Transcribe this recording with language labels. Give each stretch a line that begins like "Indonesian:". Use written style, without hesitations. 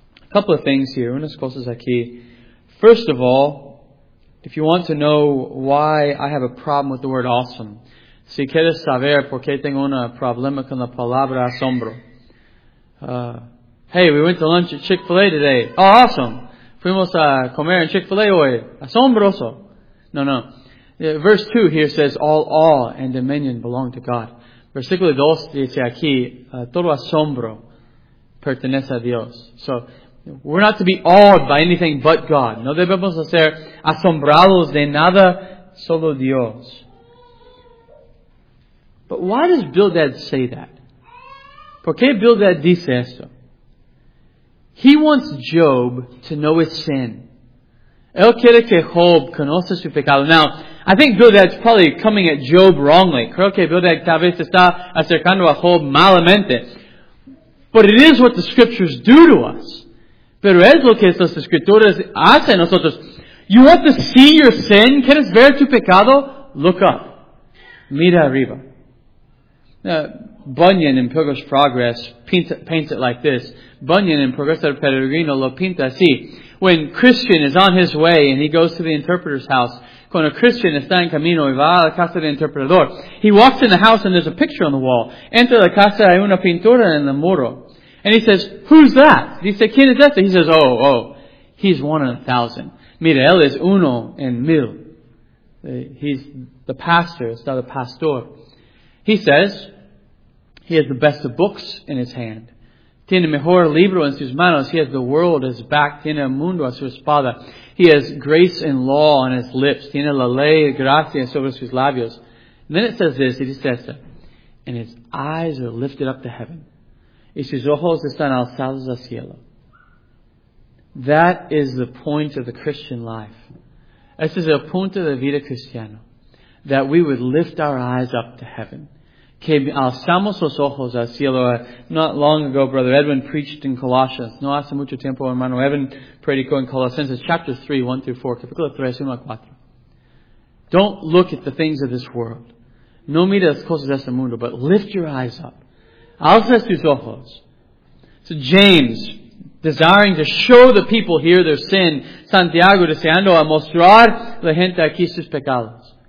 English: Couple of things here,
Spanish: unas cosas aquí.
English: First of all, if you want to know why I have a problem with the word awesome,
Spanish: si quieres saber por qué tengo un problema con la palabra asombro.
English: Hey, we went to lunch at Chick-fil-A today. Oh, awesome.
Spanish: Fuimos a comer en Chick-fil-A hoy. Asombroso. No, no.
English: Verse 2 here says, all awe and dominion belong to God.
Spanish: Versículo 2 dice aquí, todo asombro pertenece a Dios.
English: So, we're not to be awed by anything but God.
Spanish: No debemos ser asombrados de nada, solo Dios.
English: But why does Bildad say that?
Spanish: ¿Por qué Bildad dice esto?
English: He wants Job to know his sin.
Spanish: Él quiere que Job conozca su pecado.
English: Now, I think Bildad's probably coming at Job wrongly.
Spanish: Creo que Bildad tal vez está acercando a Job malamente.
English: But it is what the scriptures do to us.
Spanish: Pero es lo que estas escrituras hacen nosotros.
English: You want to see your sin?
Spanish: ¿Quieres ver tu pecado?
English: Look up.
Spanish: Mira arriba.
English: Bunyan in Pilgrim's Progress paints it like this.
Spanish: Bunyan in Progreso del Peregrino lo pinta así.
English: When Christian is on his way and he goes to the interpreter's house,
Spanish: cuando Christian está en camino y va a la casa del interpretador,
English: he walks in the house and there's a picture on the wall.
Spanish: Entra la casa, hay una pintura en el muro.
English: And he says, "Who's that?" He said,
Spanish: "¿Quién es ese?"
English: He says, oh, he's one in a thousand.
Spanish: Mira, él es uno en mil.
English: He's the pastor,
Spanish: está el pastor.
English: He says, he has the best of books in his hand.
Spanish: Tiene mejor libro en sus manos.
English: He has the world as back.
Spanish: Tiene el mundo a su espada.
English: He has grace and law on his lips.
Spanish: Tiene la ley y gracia sobre sus labios.
English: And then it says this, it says that, and his eyes are lifted up to heaven.
Spanish: Y sus ojos están alzados al cielo.
English: That is the point of the Christian life.
Spanish: Este es el punto de vida cristiano.
English: That we would lift our eyes up to heaven.
Spanish: Que alzamos los ojos al cielo.
English: Not long ago, Brother Edwin preached in Colossians.
Spanish: No hace mucho tiempo, hermano Edwin predicó en Colossians,
English: chapter 3, 1 through 4,
Spanish: capítulo 3, 1 a 4.
English: Don't look at the things of this world.
Spanish: No mire las cosas de este mundo,
English: but lift your eyes up.
Spanish: Alza tus ojos.
English: So James, desiring to show the people here their sin,
Spanish: Santiago deseando a mostrar la gente aquí sus pecados.